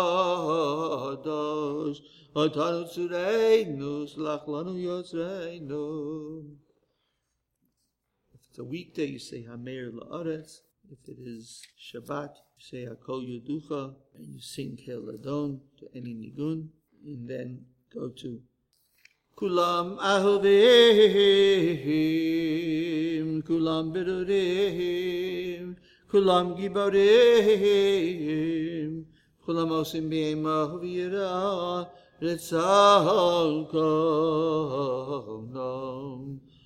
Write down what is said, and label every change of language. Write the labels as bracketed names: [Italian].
[Hebrew] וקדוש אותנו צורנו, סלח לנו יוצרנו. [English] If it's a weekday, you say Hamer La'aretz. If it is Shabbat, you say Hakol Yoducha, and you sing Kel Adon to any nigun, and then go to [Hebrew] Kulam Ahuvim, Kulam Berurim, Kulam Giborim, כולם עושים בימה ויראה רצון קונם.